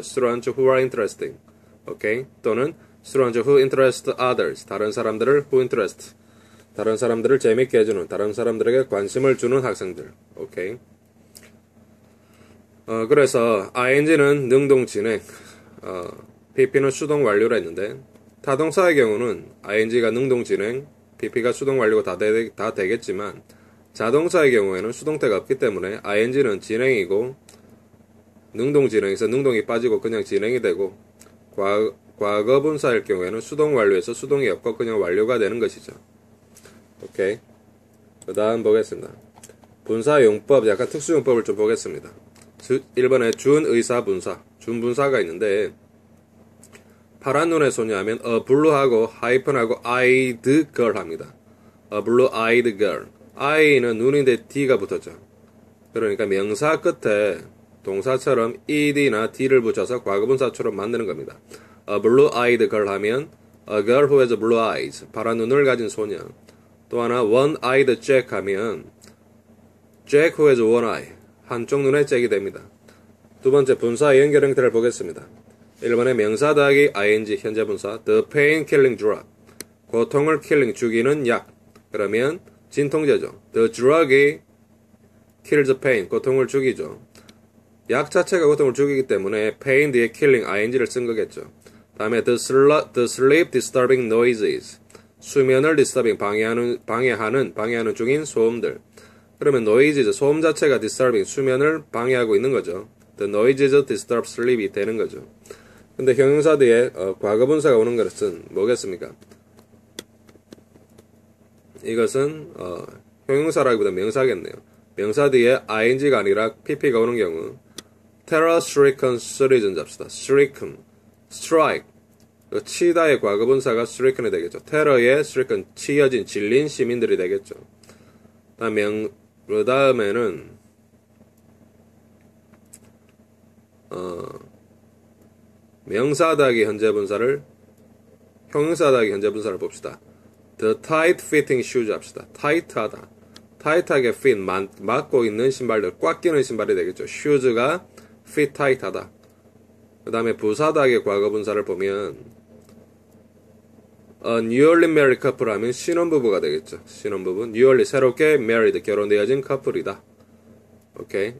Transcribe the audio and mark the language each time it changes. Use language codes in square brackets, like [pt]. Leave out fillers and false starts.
[en] Students who are interesting. Okay? [ko] 또는 [en] students who interest others. [ko] 다른 사람들을 who interest. 다른 사람들을 재밌게 해주는, 다른 사람들에게 관심을 주는 학생들. 오케이. 그래서 ing는 능동 진행, pp는 수동 완료라 했는데 타동사의 경우는 ing가 능동 진행, pp가 수동 완료고 다 되겠지만 자동사의 경우에는 수동태가 없기 때문에 ing는 진행이고 능동 진행에서 능동이 빠지고 그냥 진행이 되고 과거분사일 경우에는 수동 완료에서 수동이 없고 그냥 완료가 되는 것이죠. 오케이. 그 다음 보겠습니다. 분사용법, 약간 특수용법을 좀 보겠습니다. 1번에 준의사분사. 준분사가 있는데, 파란 눈의 소녀 하면, a blue 하고, hyphen 하고, eyed girl 합니다. [en] a blue eyed girl. [ko] eye는 눈인데 d가 붙었죠. 그러니까 명사 끝에 동사처럼 ed나 d를 붙여서 과거분사처럼 만드는 겁니다. [en] a blue eyed girl [ko] 하면, [en] a girl who has blue eyes. [ko] 파란 눈을 가진 소녀. [en] 또 하나, one-eyed Jack 하면, Jack who has one eye. [ko] 한쪽 눈에 잭이 됩니다. 두 번째, 분사 연결 형태를 보겠습니다. 1번에 명사 더하기 ing, 현재 분사. [en] The pain killing drug. [ko] 고통을 [en] killing, 죽이는 약. [ko] 그러면, 진통제죠. [en] The drug이 kills pain, [ko] 고통을 죽이죠. 약 자체가 고통을 죽이기 때문에, pain 뒤에 killing, ing를 쓴 거겠죠. [en] 다음에, the sleep disturbing noises. [ko] 수면을 disturbing, 방해하는 중인 소음들. 그러면 noises, 소음 자체가 disturbing, 수면을 방해하고 있는 거죠. [en] The noises disturb sleep [ko] 이 되는 거죠. 근데 형용사 뒤에 과거분사가 오는 것은 뭐겠습니까? 이것은 형용사라기보다 명사겠네요. 명사 뒤에 ing가 아니라 pp가 오는 경우 terror stricken citizens 잡시다. stricken, strike, 치다의 과거분사가 스트리큰이 되겠죠. 테러에 스트리큰, 치여진, 질린 시민들이 되겠죠. 그 다음에는, 명사다기 현재 분사를, 형용사다기 현재 분사를 봅시다. [en] The tight fitting shoes [ko] 합시다. 타이트하다. 타이트하게 핀, 맞고 있는 신발들, 꽉 끼는 신발이 되겠죠. 슈즈가 fit 타이트하다. 그 다음에 부사다기 과거 분사를 보면, 뉴얼리 메리 커플 하면 신혼부부가 되겠죠. 신혼부부. 뉴얼리 새롭게 메리드, 결혼되어진 커플이다. 오케이.